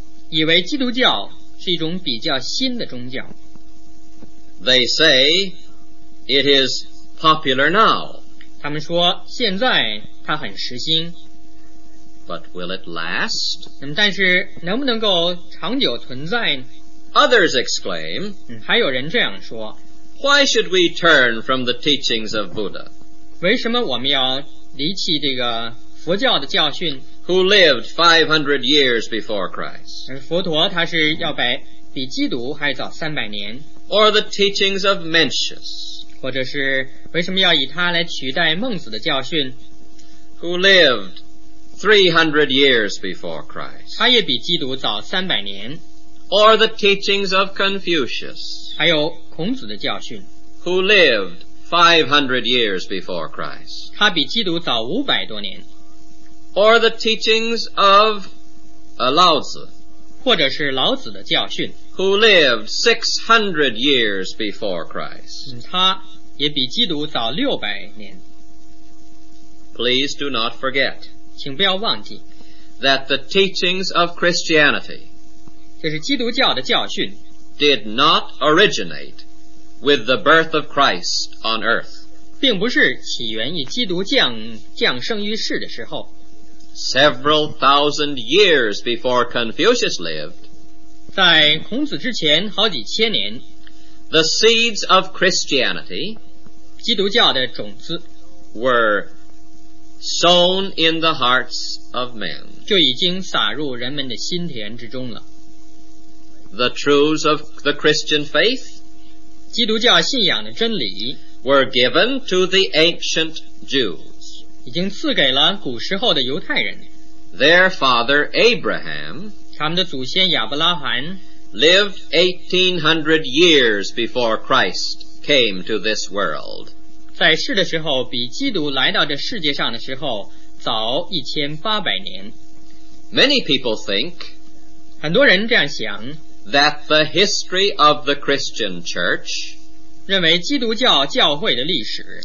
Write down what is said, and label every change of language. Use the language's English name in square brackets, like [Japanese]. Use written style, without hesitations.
[Chinese] 以为基督教是一种比较新的宗教。 [English] They say it is popular now [Chinese] 他们说现在它很时兴 [English] But will it last? [Chinese] 但是能不能够长久存在呢？ [English] Others exclaim [Chinese] 还有人这样说 [English] Why should we turn from the teachings of Buddha? [Chinese] 为什么我们要离弃这个佛教的教训 [English] Who lived 500 years before Christ? [Chinese] 佛陀他是要比基督还早300年 [English] Or the teachings of Mencius [Chinese] 或者是为什么要以他来取代孟子的教训 [English] Who lived 300 years before Christ [Chinese] 他也比基督早300年 [English] Or the teachings of Confucius [Chinese] 还有孔子的教训 [English] Who lived 500 years before Christ. [Chinese] 他比基督早500多年。 [English] Or the teachings of Lao Tzu. [Chinese] 或者是老子的教训。 [English] Who lived 600 years before Christ. [Chinese] 他也比基督早600年。 [English] Please do not forget. [Chinese] 请不要忘记。 [English] That the teachings of Christianity. [Chinese] 这是基督教的教训。 [English] Did not originate with the birth of Christ on earth. [Chinese] 并不是起源于基督降生于世的时候。 [English] Several thousand years before Confucius lived, [Chinese] 在孔子之前好几千年, [English] the seeds of Christianity, [Chinese] 基督教的种子, [English] were sown in the hearts of men, [Chinese] 就已经撒入人们的心田之中了。 [English] The truths of the Christian faith, [Chinese] 基督教信仰的真理, [English] were given to the ancient Jews, [Chinese] 已经赐给了古时候的犹太人。 [English] Their father Abraham, [Chinese] 他们的祖先亚伯拉罕, [English] lived 1800 years before Christ came to this world. [Chinese] 在世的时候比基督来到这世界上的时候早1800年。 [English] Many people think, [Chinese] 很多人这样想, [English] that the history of the Christian church, [Chinese] 认为基督教教会的历史,